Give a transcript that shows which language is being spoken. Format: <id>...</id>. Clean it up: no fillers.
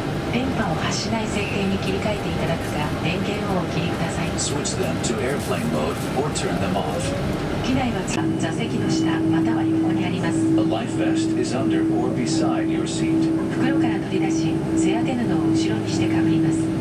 <ja>電波を発しない設定に切り替えていただくか、電源をお切りください。</ja> <en>Switch them to airplane mode or turn them off.</en> <ja>機内は座席の下または横にあります。</ja> <en>A life vest is under or beside your seat.</en> <ja>袋から取り出し、背当て布を後ろにしてかぶります。</ja>